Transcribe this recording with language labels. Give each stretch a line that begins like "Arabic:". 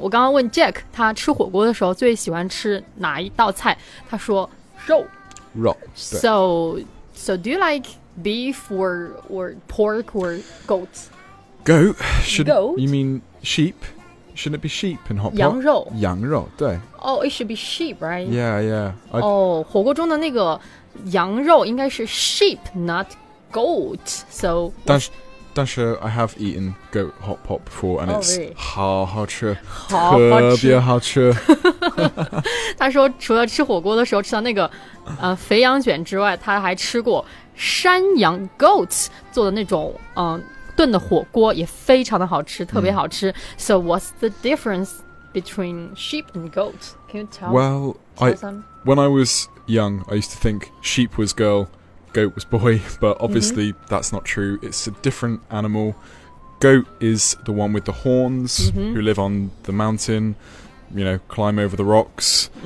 Chinese: 我刚刚问 Jack， 他吃火锅的时候最喜欢吃哪一道菜？他说肉。
English: Raw. So do you like beef or pork or goat? Goat? You mean sheep? Shouldn't it be sheep in hot pot?
Chinese: 羊肉。羊肉，对。
English: Oh, it should be sheep, right? Yeah.
Chinese: 火锅中的那个羊肉应该是
English: sheep, not goat. So. 但是 I have eaten goat hot pot before, and it's
Chinese: 好好吃，特别好吃。他说，除了吃火锅的时候吃到那个肥羊卷之外，他还吃过山羊 goat 做的那种炖的火锅，也非常的好吃，特别好吃。
English: So what's the difference between sheep and goat? Can you tell? Well, when I was young, I used to think sheep was girl. Goat was boy, but obviously that's not true. It's a different animal. Goat is the one with the horns who live on the mountain, you know, climb over the rocks.